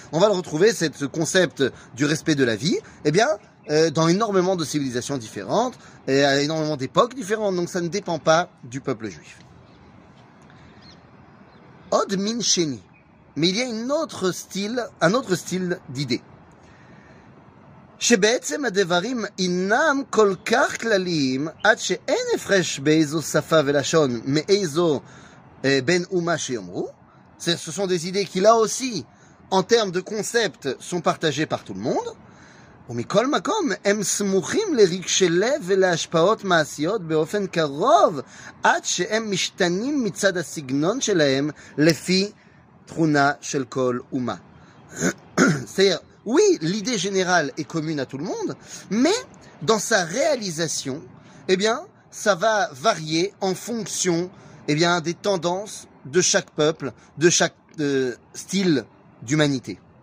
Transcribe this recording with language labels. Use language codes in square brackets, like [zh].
[fr] On va le retrouver, ce concept du respect de la vie, eh bien, dans énormément de civilisations différentes, et à énormément d'époques différentes, donc ça ne dépend pas du peuple juif. « [he] Od min sheni [fr] ». Mais il y a un autre style d'idée. [he] שבעצם הדברים אינם כל כך כלליים עד שאין הפרש באיזו שפה ולשון מאיזו בין אומה שיאמרו. [fr] Ce sont des idées qui, là aussi, en termes de concept, sont partagées par tout le monde. [he] ומכל מקום, הם סמוכים לרגשי לב ולהשפעות מעשיות באופן קרוב עד שהם משתנים מצד הסגנון שלהם לפי תכונה של כל אומה. סייר. [fr] Oui, l'idée générale est commune à tout le monde, mais dans sa réalisation, eh bien, ça va varier en fonction, eh bien, des tendances de chaque peuple, de chaque style d'humanité.